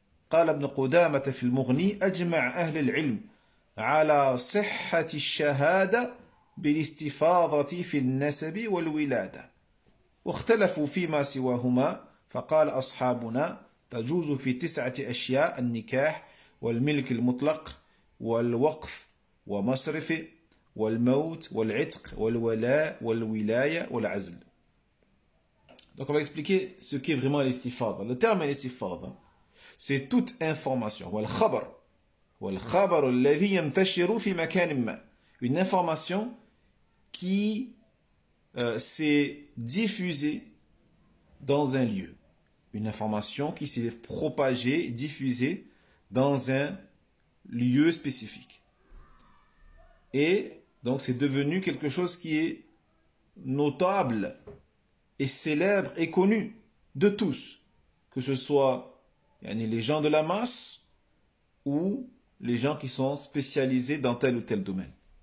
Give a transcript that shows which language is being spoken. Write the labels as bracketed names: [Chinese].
[Arabic] قال ابن قدامة في المغني: أجمع أهل العلم على صحة الشهادة بالاستفاضة في النسب والولادة، واختلفوا فيما سواهما، فقال أصحابنا: تجوز في تسعة أشياء: النكاح والملك المطلق والوقف ومصرف والموت والعتق والولاء والولاية والعزل. [French] Donc on va expliquer ce qu'est vraiment l'istifada. Le terme l'istifada, c'est toute information. [Arabic] والخبر والخبر الذي ينتشر في مكان ما. [French] Une information qui s'est diffusée dans un lieu. Une information qui s'est propagée, diffusée dans un lieu spécifique. Et donc c'est devenu quelque chose qui est notable et célèbre et connu de tous, que ce soit yani les gens de la masse ou les gens qui sont spécialisés dans tel ou tel domaine.